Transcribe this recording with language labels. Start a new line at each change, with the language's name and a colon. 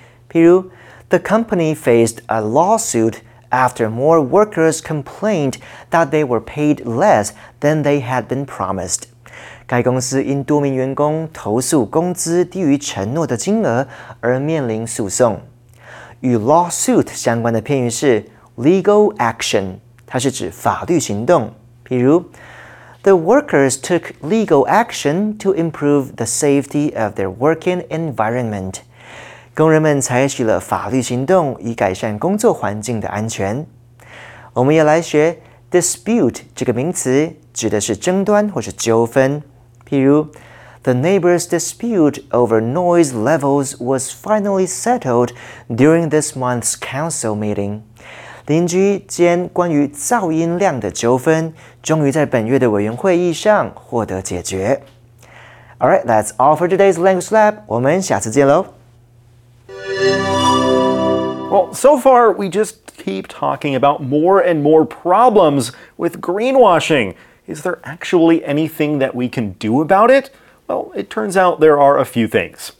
English: The company faced a lawsuit after more workers complained that they were paid less than they had been promised.
Chinese: 该公司因多名员工投诉工资低于承诺的金额而面临诉讼。与 lawsuit 相关的片语是 legal action， 它是指法律行动。譬如
English: ，The workers took legal action to improve the safety of their working environment.
Chinese: 工人们采取了法律行动以改善工作环境的安全。我们也来学 dispute 这个名词，指的是争端或是纠纷。譬如
English: The neighbor's dispute over noise levels was finally settled during this month's council meeting.
Chinese: 邻居间关于噪音量的纠纷终于在本月的委员会议上获得解决。
English: All right, that's all for today's Language Lab.
Chinese: 我们下次见咯。
English: Well, so far, we just keep talking about more and more problems with greenwashing. Is there actually anything that we can do about it? Well, it turns out there are a few things.